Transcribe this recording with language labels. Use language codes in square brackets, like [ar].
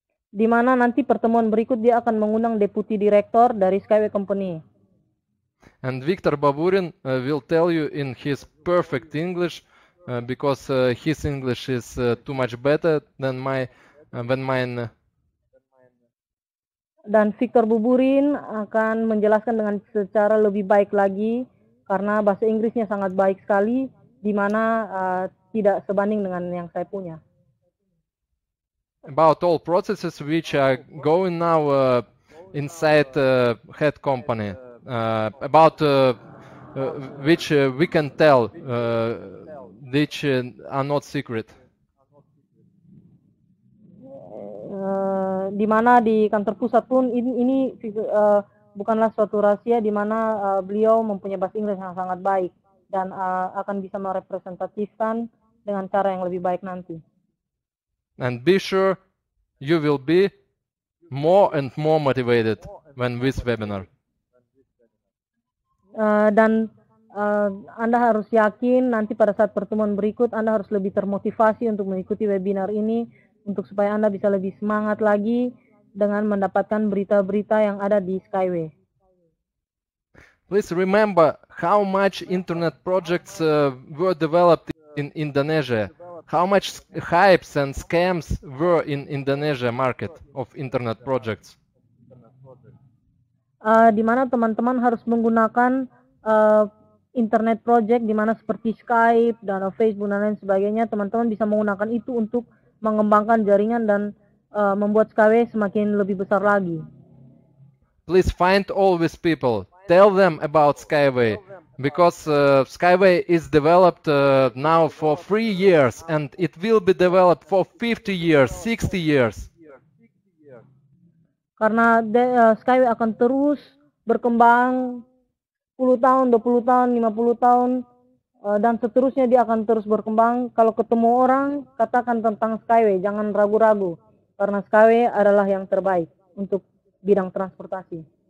[id] Di mana nanti pertemuan berikut dia akan mengundang deputi direktur dari Skyway Company. [en] And Viktor Baburin will tell you in his perfect English, because his English is too much better than my than mine. [id] Dan Viktor Baburin akan menjelaskan dengan secara lebih baik lagi karena bahasa Inggrisnya sangat baik sekali, di mana tidak sebanding dengan yang saya punya. [en] About all processes which are going now inside head company, about which we can tell, which are not secret. [id] Di mana di kantor pusat pun ini bukanlah suatu rahasia, di mana beliau mempunyai bahasa Inggris yang sangat baik dan akan bisa merepresentasikan dengan cara yang lebih baik nanti. [en] And be sure you will be more and more motivated when this webinar. [id] Dan Anda harus yakin nanti pada saat pertemuan berikut Anda harus lebih termotivasi untuk mengikuti webinar ini, untuk supaya Anda bisa lebih semangat lagi dengan mendapatkan berita-berita yang ada di Skyway. [en] Please remember how much internet projects were developed in Indonesia. How much hypes and scams were in Indonesia market of internet projects? [id] Di mana teman-teman harus menggunakan internet project di mana seperti Skype dan Facebook dan lain sebagainya, teman-teman bisa menggunakan itu untuk mengembangkan jaringan dan membuat Skyway semakin lebih besar lagi. [en] Please find all these people. Tell them about Skyway. Because Skyway is developed now for 3 years and it will be developed for 50 years, 60 years. [id] Karena Skyway akan terus berkembang 10 tahun, 20 tahun, 50 tahun, dan seterusnya dia akan terus berkembang. Kalau ketemu orang, katakan tentang Skyway, jangan ragu-ragu. Karena Skyway adalah yang terbaik untuk bidang transportasi.